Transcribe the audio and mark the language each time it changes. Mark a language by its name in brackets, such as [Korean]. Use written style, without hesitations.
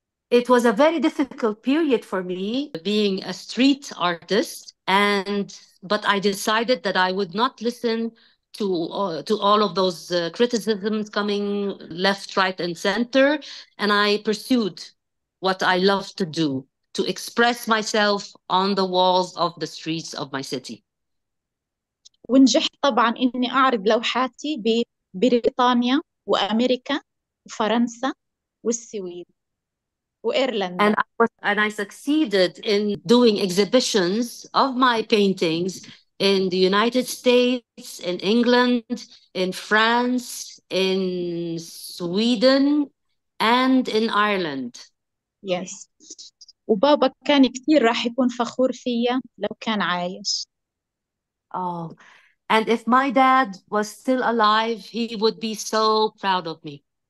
[English] It was a very difficult period for me being a street artist, but I decided that I would not listen to all of those criticisms coming left, right, and center, and I pursued what I love to do, to express myself on the walls of the streets of my city. [Arabic] ونجحت طبعا إني أعرض لوحاتي ببريطانيا وأمريكا وفرنسا والسويد وإيرلندا. [English] And I succeeded in doing exhibitions of my paintings in the United States, in England, in France, in Sweden, and in Ireland. Yes. [Arabic] وبابا كان كثير راح يكون فخور فيا لو كان عايش. [English] Oh, and if my dad was still alive, he would be so proud of me.